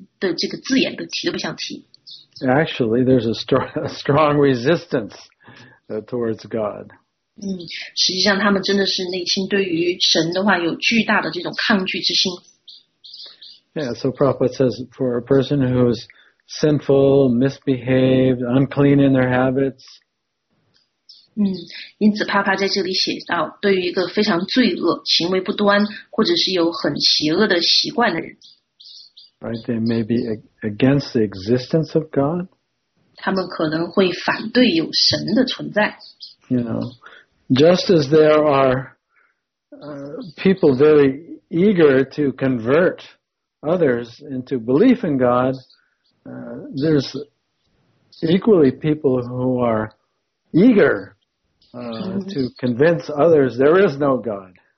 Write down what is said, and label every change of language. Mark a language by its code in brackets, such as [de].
[zh] 他们甚至非常抵触，不愿意去提到神的这个字眼，都提都不想提。 [en] Actually, there's a strong resistance towards God. [zh] 实际上他们真的是内心对于神的话有巨大的这种抗拒之心。 [en] Yeah, so Prabhupada says for a person who is sinful, misbehaved, unclean in their habits. [zh] 因此帕帕在这里写到，对于一个非常罪恶、行为不端或者是有很邪恶的习惯的人。 [en] Right, they may be against the existence of God. [zh] 他们可能会反对有神的存在。 [en] You know, just as there are people very eager to convert others into belief in God, there's equally people who are eager to convince others there is no God.